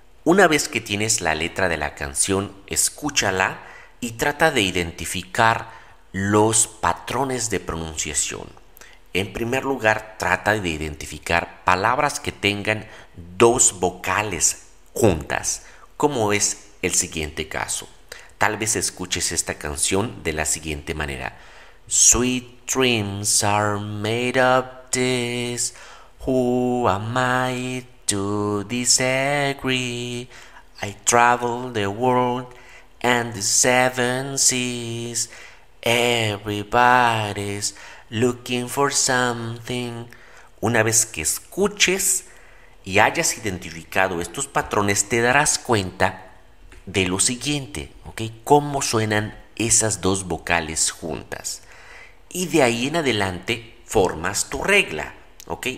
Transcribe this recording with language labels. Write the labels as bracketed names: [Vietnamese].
[Spanish] Una vez que tienes la letra de la canción, escúchala y trata de identificar los patrones de pronunciación. En primer lugar, trata de identificar palabras que tengan dos vocales juntas, como es el siguiente caso. Tal vez escuches esta canción de la siguiente manera. [English] Sweet dreams are made of this. Who am I to disagree? I travel the world and the seven seas. Everybody's looking for something. [Spanish] Una vez que escuches y hayas identificado estos patrones, te darás cuenta de lo siguiente, ¿ok? ¿Cómo suenan esas dos vocales juntas? Y de ahí en adelante formas tu regla, ¿ok?